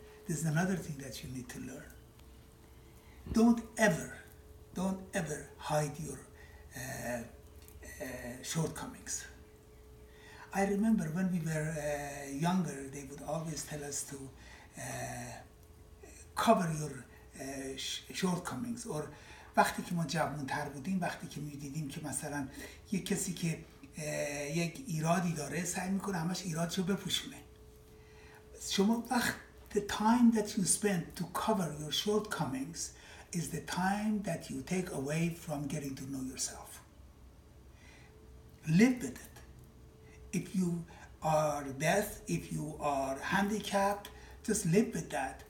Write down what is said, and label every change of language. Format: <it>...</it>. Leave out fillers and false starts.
<en>This is another thing that you need to learn. Don't ever hide your shortcomings. I remember when we were younger, they would always tell us to cover your shortcomings. Or</en> <fa>وقتی که ما جوان‌تر بودیم، وقتی که می‌دیدیم که مثلا یک کسی که یک ایرادی داره، سعی می‌کنه همش ایرادشو بپوشونه. شما وقت</fa> <en>the time that you spend to cover your shortcomings is the time that you take away from getting to know yourself. Live with it. If you are deaf, if you are handicapped, just live with that.</en>